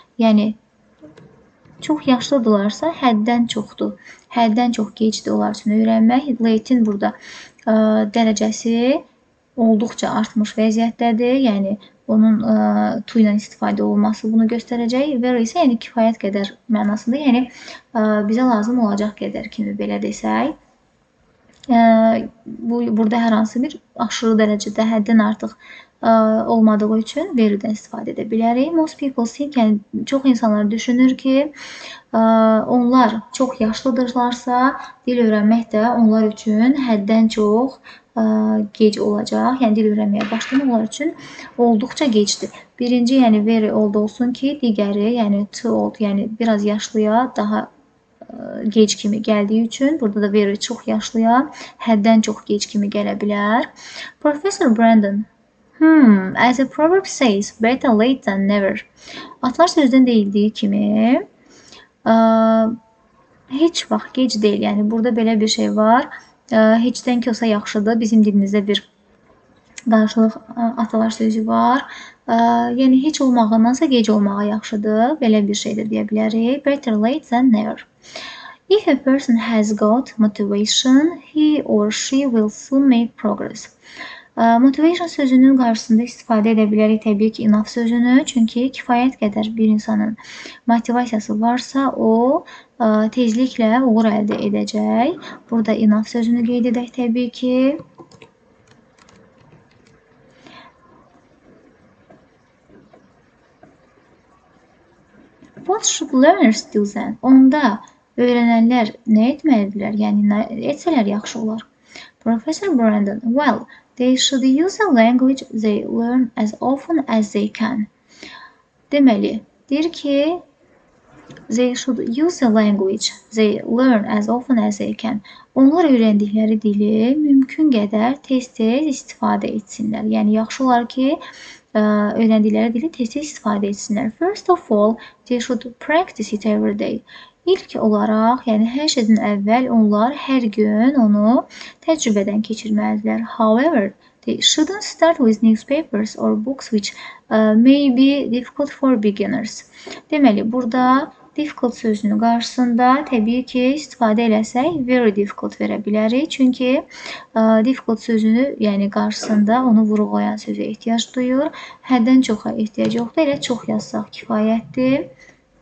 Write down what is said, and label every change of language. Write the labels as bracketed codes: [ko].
[az] Yəni çox yaşlıdırlarsa həddən çoxdur. Həddən çox gecdir onlar üçün öyrənmək. Late-in burada dərəcəsi olduqca artmış vəziyyətdədir. Yəni onun tuyla istifade olması bunu göstereceği, ver ise yani kifayet keder manasında, yani bize lazım olacak keder kimi belə desək. Bu burada hər hansı bir aşırı dərəcədə həddən artıq olmadığı üçün verirdən istifadə edə bilərik. [en] Most people think, [az] yəni çox insanlar düşünür ki, onlar çox yaşlıdırlarsa dil öyrənmək də onlar üçün həddən çox gec olacaq. Yəni dil öyrənməyə başlamaq onlar üçün olduqca gecdir. Birinci, yəni very old olsun ki, digəri, yəni too old, yəni biraz yaşlıya daha gec kimi gəldiyi üçün, burada da very çox yaşlıya həddən çox gec kimi gələ bilər. [en] Professor Brandon, as a proverb says, better late than never. [az] Atlar sözdən deyildiyi kimi, heç vaxt gec deyil. Yəni burada belə bir şey var. Heçdən ki olsa yaxşıdır. Bizim dilimizdə bir qarşılıq atalar sözü var. Yəni heç olmağındansa gec olmağa yaxşıdır. Belə bir şeydir deyə bilərik. [en] Better late than never. If a person has got motivation, he or she will soon make progress. [az] Motivation sözünün qarşısında istifadə edə bilərik təbii ki enough sözünü, çünki kifayət qədər bir insanın motivasiyası varsa o tezliklə uğur əldə edəcək. Burada enough sözünü qeyd edək təbii ki. [en] What should learners do then? [az] Onda öyrənənlər nə etməlidirlər? Yəni nə etsələr yaxşı olar? [en] Professor Brandon, well, they should use a language they learn as often as they can. [az] Deməli, deyir ki, [en] they should use a language they learn as often as they can. [az] Onlar öyrəndikləri dili mümkün qədər tez-tez istifadə etsinlər. Yəni, yaxşı olar ki, öyrəndikləri dili tez-tez istifadə etsinlər. [en] First of all, they should practice it every day. [az] İlk olaraq, yəni hər şeydən əvvəl onlar hər gün onu təcrübədən keçirməlidirlər. [en] However, they shouldn't start with newspapers or books which may be difficult for beginners. [az] Deməli, burada difficult sözünün qarşısında təbii ki istifadə eləsək very difficult verə bilərik. Çünki difficult sözünü, yəni qarşısında onu vurğulayan sözə ehtiyac duyur. Həddən çoxa ehtiyac yoxdur. Elə çox yazsaq kifayətdir.